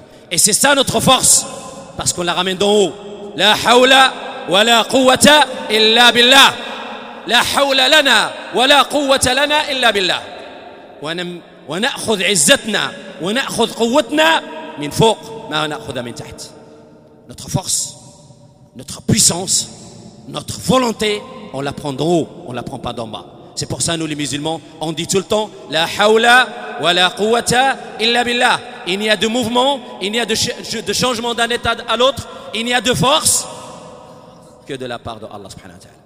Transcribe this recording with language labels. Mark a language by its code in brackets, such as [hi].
[fr] Et c'est ça notre force, parce qu'on la ramène d'en haut. [ar] La hawla ولا قوة إلا بالله، لا حول لنا ولا قوة لنا إلا بالله، ونأخذ عزتنا ونأخذ قوتنا من فوق ما نأخذ من تحت. [fr] Notre force, notre puissance, notre volonté, on la prend d'en haut, on la prend pas d'en bas. C'est pour ça nous les musulmans, on dit tout le temps [ar] la hawla wa la quwwata illa billah. [fr] Il n'y a de mouvement, il n'y a de changement d'un état à l'autre, il n'y a de force que de la part de Allah subhanahu wa ta'ala.